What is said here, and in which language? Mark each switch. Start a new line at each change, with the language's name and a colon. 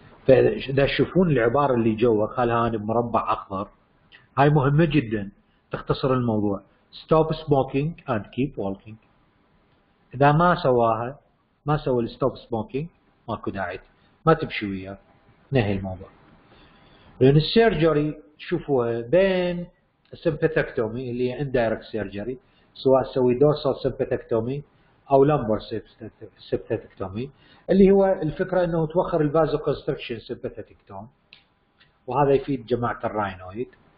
Arabic: فإذا تشوفون العبارة اللي جوا خالها أنا بمربع أخضر، هاي مهمة جدا تختصر الموضوع.
English: stop smoking and keep walking.
Arabic: إذا ما سواها، ما سوى
English: stop smoking،
Arabic: ماكو داعي، ما تمشي وياه، نهي الموضوع. لأن السيرجري شوفوها بين sympathectomy اللي هي indirect surgery، سواء سوي dorsal sympathectomy او لامبر سيمباثيكتومي، اللي هو الفكره انه توخر البازو كونستركشن سيمباثيكتوم، وهذا يفيد جماعه الراينويد،